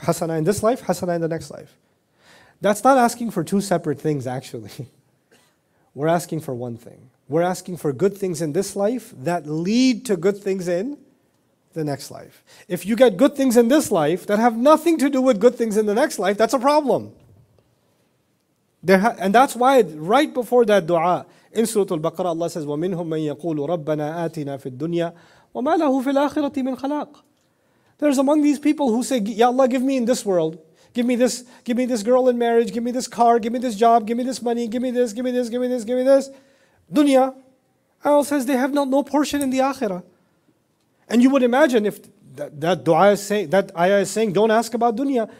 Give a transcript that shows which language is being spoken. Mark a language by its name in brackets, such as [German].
[English] حَسَنَةً in this life, حَسَنَةً in the next life. That's not asking for two separate things, actually. We're asking for one thing. We're asking for good things in this life that lead to good things in the next life. If you get good things in this life that have nothing to do with good things in the next life, that's a problem. And that's why right before that dua, in Surah Al-Baqarah, Allah says, [Arabic] وَمِنْهُمْ مَنْ يَقُولُ رَبَّنَا آتِنَا فِي الدُّنْيَا وَمَا لَهُ فِي الْآخِرَةِ مِنْ خَلَاقٍ. [English] There's among these people who say, Ya Allah, give me in this world, give me this girl in marriage, give me this car, give me this job, give me this money, give me this, give me this, give me this, give me this. Dunya, Allah says they have no portion in the Akhirah. And you would imagine if that dua is saying, that ayah is saying, don't ask about dunya.